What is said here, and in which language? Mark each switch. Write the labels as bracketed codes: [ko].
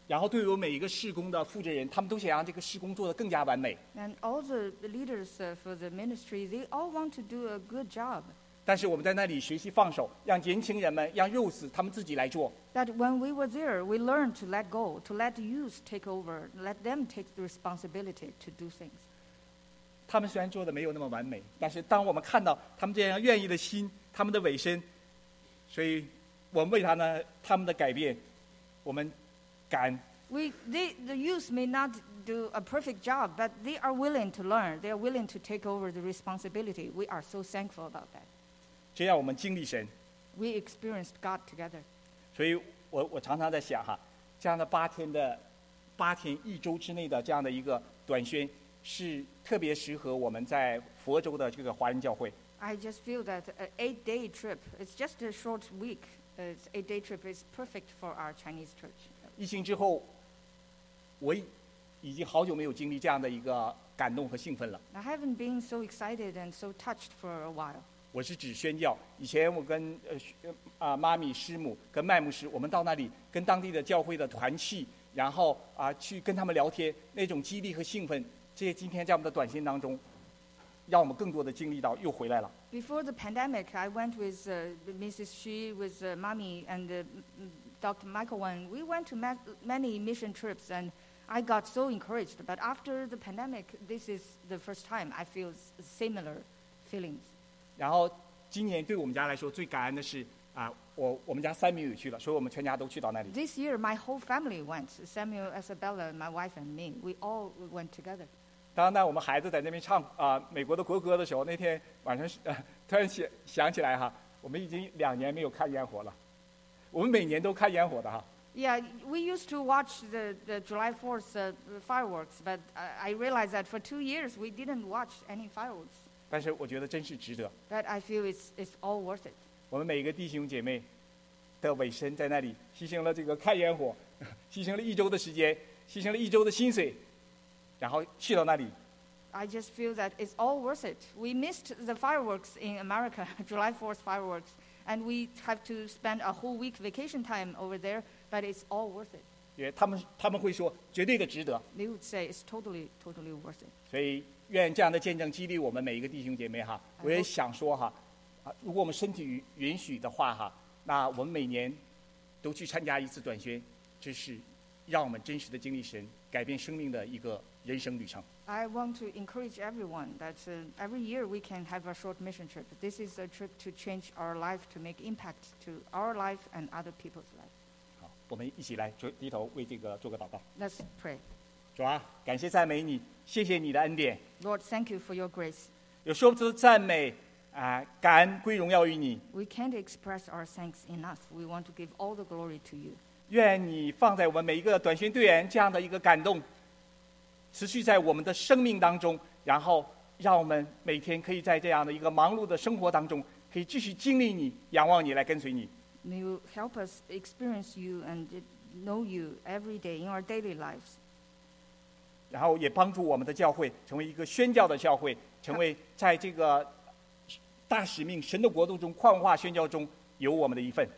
[zh] 然后对于每一个事工的负责人，他们都想让这个事工做得更加完美。 [en] And all the leaders for the ministry, they all want to do a good job. [zh] 但是我们在那里学习放手，让年轻人们，让 youth 他们自己来做。 [en] That when we were there, we learned to let go, to let the youth take over, let them take the responsibility to do things. [zh] 他们虽然做得没有那么完美，但是当我们看到他们这样愿意的心。他们的委身，所以我们为他呢，他们的改变，我们感。 [en] The youth may not do a perfect job, but they are willing to learn. They are willing to take over the responsibility. We are so thankful about that. [zh] 这样我们经历神。 [en] We experienced God together. [zh] 所以我常常在想哈，这样的八天一周之内的这样的一个短宣，是特别适合我们在佛州的这个华人教会。 [en] I just feel that an eight-day trip, it's just a short week, an eight-day trip is perfect for our Chinese church. [zh] 疫情之后，我已经好久没有经历这样的一个感动和兴奋了。 [en] I haven't been so excited and so touched for a while. [zh] 我是指宣教，以前我跟妈咪、师母跟麦牧师，我们到那里跟当地的教会的团契，然后去跟他们聊天，那种激励和兴奋，这些今天在我们的短信当中。让我们更多的经历到又回来了。 [en] Before the pandemic, I went with Mrs. Xu, with Mommy, and Dr. Michael Wan. We went to many mission trips, and I got so encouraged. But after the pandemic, this is the first time I feel similar feelings. [zh] 然后今年对我们家来说最感恩的是我们家 Samuel 去了，所以我们全家都去到那里。 [en] This year, my whole family went. Samuel, Isabella, my wife, and me. We all went together. [zh] 当那我们孩子在那边唱美国的国歌的时候，那天晚上突然想起来哈，我们已经两年没有看烟火了，我们每年都看烟火的哈。 [en] Yeah, we used to watch the July 4th fireworks, but I realized that for 2 years we didn't watch any fireworks. [zh] 但是我觉得真是值得。 [en] But I feel it's all worth it. [zh] 我们每一个弟兄姐妹的委身在那里，牺牲了这个看烟火，牺牲了一周的时间，牺牲了一周的薪水。然后去到那里 [en] I just feel that it's all worth it. We missed the fireworks in America, July 4th fireworks, and we have to spend a whole week vacation time over there, but it's all worth it. [zh] 也他们会说绝对的值得 [en] They would say it's totally worth it. [zh] 所以愿这样的见证激励我们每一个弟兄姐妹哈我也想说哈如果我们身体允许的话哈那我们每年都去参加一次短宣这是让我们真实的经历神改变生命的一个人生旅程。 [en] I want to encourage everyone that every year we can have a short mission trip. This is a trip to change our life, to make impact to our life and other people's life. [zh] 好，我们一起来低头为这个做个祷告。 [en] Let's pray. [zh] 主啊，感谢赞美你，谢谢你的恩典。 [en] Lord, thank you for your grace. [zh] 有说不出赞美感恩归荣耀于你。 [en] We can't express our thanks enough. We want to give all the glory to you. [zh] 愿你放在我们每一个短宣队员这样的一个感动持续在我们的生命当中然后让我们每天可以在这样的一个忙碌的生活当中可以继续经历你仰望你来跟随你 [en] May you help us experience you and know you every day in our daily lives [zh] 然后也帮助我们的教会成为一个宣教的教会成为在这个大使命神的国度中矿化宣教中有我们的一份